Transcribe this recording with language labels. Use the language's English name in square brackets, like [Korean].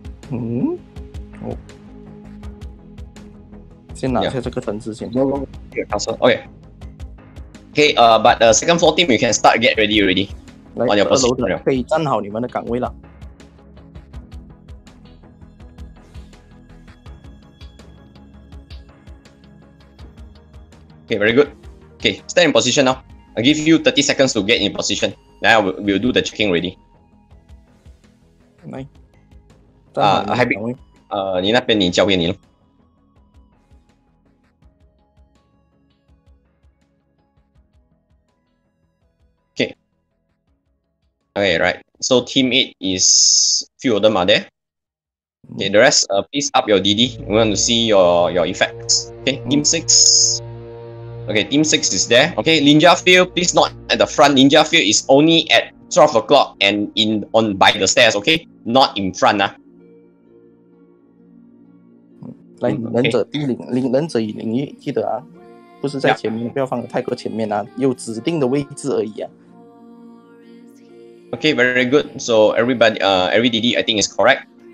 [Chinese] 嗯，哦，先拿下这个城池先。 [English] Castle. Okay. Okay. But the second floor team, you can start get ready already. [Chinese] 来，二楼的可以站好你们的岗位了。 [English] Okay. Very good. Okay. Stand in position now. I give you 30 seconds to get in position. Now we'll do the checking ready. Nice. [Chinese] Happy. 你那边你交给你了。 [English] Okay. Okay, right. So team 8 is few of them are there. Okay, the rest, please up your DD. We want to see your effects. Okay, team 6. Okay, team 6 is there. Okay, Ninja Field, please not at the front. Ninja Field is only at 12 o'clock and on by the stairs, okay? Not in front, ah. [Chinese] 来，忍者忍者领域，记得啊，不是在前面，不要放得太过前面啊，有指定的位置而已啊。 [English] Okay, very good. So everybody, every DD, I think is correct.